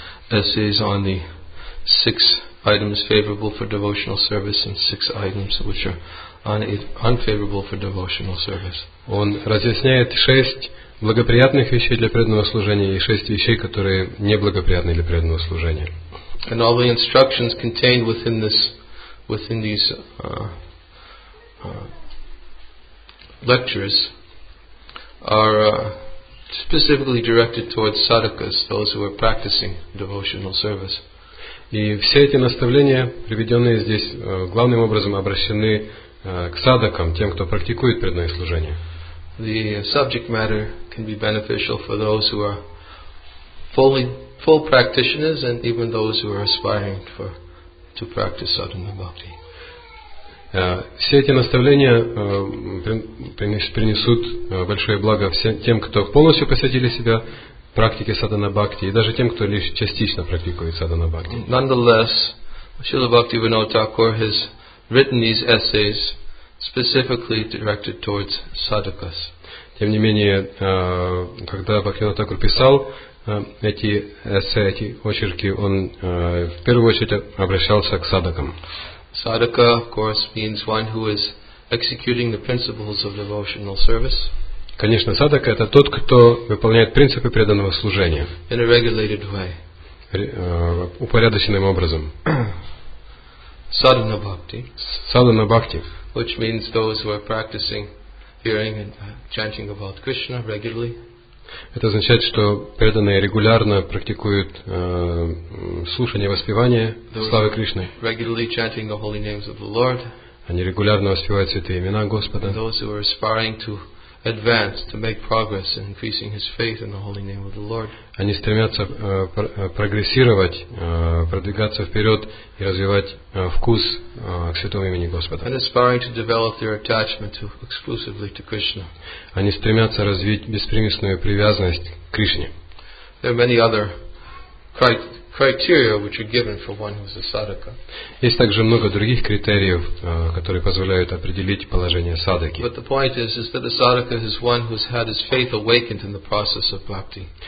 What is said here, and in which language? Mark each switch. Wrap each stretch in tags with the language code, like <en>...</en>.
<en>Essays on the six items favorable for devotional service and six items which are unfavorable for devotional service.</en> <ru>Он разъясняет шесть благоприятных вещей для преданного служения и шесть вещей, которые неблагоприятны для преданного служения.</ru> <en>And all the instructions contained within these lectures are specifically directed towards sadhakas, those who are practicing devotional service.</en> <ru>И все эти наставления, приведенные здесь, главным образом обращены к садакам, тем, кто практикует преданное служение.</ru> <en>The subject matter can be beneficial for those who are full practitioners and even those who are aspiring to practice sadhana bhakti.</en> <ru>Все эти наставления принесут большое благо всем тем, кто полностью посвятили себя практике садхана бхакти, и даже тем, кто лишь частично практикует садхана бхакти.</ru> <en>Nonetheless, Śrīla Bhaktivinoda Thakura has written these essays specifically directed towards sadhakas.</en> <ru>Тем не менее, когда Бхактивинода Тхакура писал эти эссе, эти очерки, он в первую очередь обращался к садхакам.</ru> <en>Sadhaka, of course, means one who is executing the principles of devotional service.</en> <ru>Конечно, садхака — это тот, кто выполняет принципы преданного служения.</ru> <en>In a regulated way.</en> <ru>Упорядоченным образом.</ru> <sa>Sadhana bhakti. Sadhana bhakti.</sa> <en>Which means those who are practicing, hearing and chanting about Krishna regularly.</en> <ru>Это означает, что преданные регулярно практикуют слушание, воспевание славы Кришны.</ru> <en>Regularly chanting the holy names of the Lord.</en> <ru>Они регулярно воспевают святые имена Господа.</ru> <en>Those who are aspiring to advance, to make progress in increasing his faith in the holy name of the Lord.</en> <ru>Они стремятся прогрессировать, продвигаться вперед и развивать вкус к святому имени Господа.</ru> <en>And aspiring to develop their attachment to exclusively to Krishna.</en> <ru>Они стремятся развить беспримесную привязанность к Кришне.</ru> <en>There are many other criteria which are given for one who is a sadhaka.</en> <ru>Есть также много других критериев, которые позволяют определить положение садхаки.</ru> <en>But the point is that a sadhaka is one who has had his faith awakened in the process of bhakti.</en>